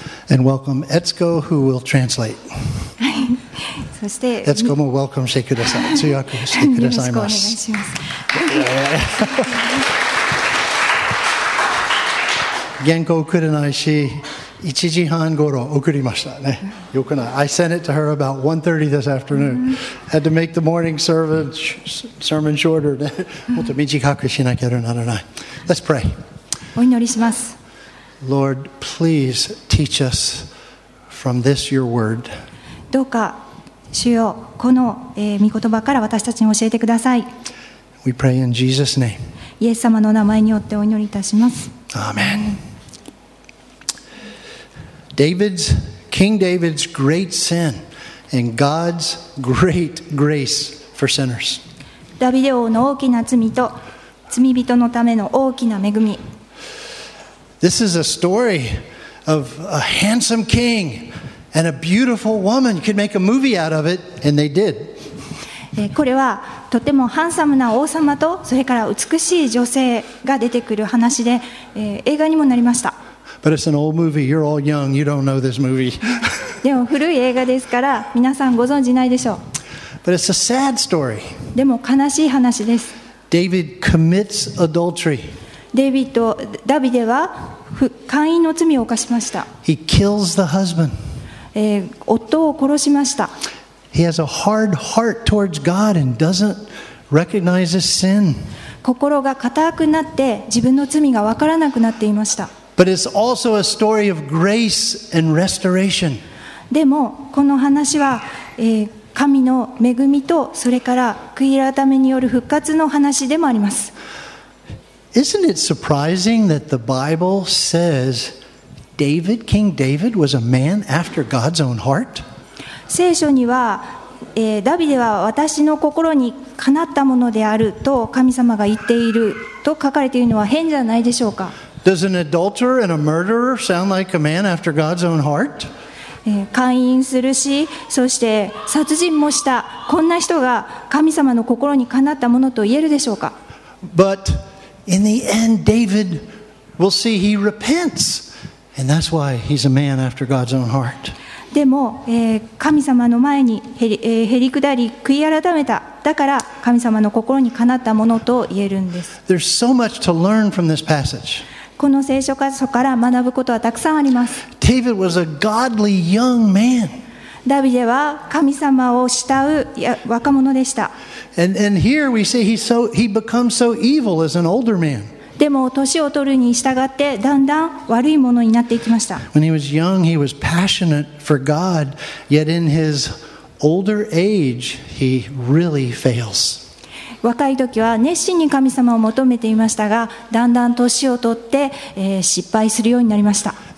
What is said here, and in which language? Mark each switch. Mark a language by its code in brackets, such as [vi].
[en] And welcome Etsuko, who will translate. [ja] そして、 Etsuko も welcome してください。強くしてください。よろしくお願いします。原稿送れないし1時半ごろ送りましたね。よくない。 [en] I sent it to her about 1:30 this afternoon. Had to make the morning sermon shorter. [ja] もっと短くしなければならない。 [en] Let's pray. [ja] お祈りします。 [en] Lord, please teach us from this your word. [ja] どうか主よこの御言葉から私たちに教えてください。 [en] We pray in Jesus' name. [ja] イエス様の名前によってお祈りいたします。 [en] Amen. David's, King David's great sin and God's great grace for sinners. [ja] ダビデ王の大きな罪と罪人のための大きな恵み。 [en] This is a story of a handsome king and a beautiful woman. You could make a movie out of it, and they did. [ja] これはとてもハンサムな王様とそれから美しい女性が出てくる話で、映画にもなりました。 [en] But it's an old movie. You're all young. You don't know this movie. [ja] でも古い映画ですから皆さんご存じないでしょう。 [en] But it's a sad story. [ja] でも悲しい話です。 [en] David commits adultery. [ja] ダビデは姦淫の罪を犯しました。 [en] He kills the husband. [ja] 夫を殺しました。 [en] He has a hard heart towards God and doesn't recognize his sin. [ja] 心が固くなって自分の罪が分からなくなっていました。 [en] But it's also a story of grace and restoration. [ja] でもこの話は、神の恵みとそれから悔い改めによる復活の話でもあります。 [en] Isn't it surprising that the Bible says David, King David, was a man after God's own heart? [ja] 聖書には、ダビデは私の心にかなったものであると神様が言っていると書かれているのは変じゃないでしょうか。 [en] Does an adulterer and a murderer sound like a man after God's own heart? [ja] 姦淫するし、そして殺人もした、こんな人が神様の心にかなったものと言えるでしょうか? [en] But in the end, David will see he repents. And that's why he's a man after God's own heart. [ja] でも、神様の前にへり下り、悔い改めた。だから神様の心にかなったものと言えるんです。 [en] There's so much to learn from this passage. [ja] この聖書箇所から学ぶことはたくさんあります。 [en] David was a godly young man. [ja] ダビデは神様を慕う若者でした。 [en] And here we see he becomes so evil as an older man. [ja] でも年を取るに従ってだんだん悪いものになっていきました。 [en] When he was young, he was passionate for God. Yet in his older age, he really fails. [ja] 若い時は熱心に神様を求めていましたが、だんだん年を取って、失敗するようになりました。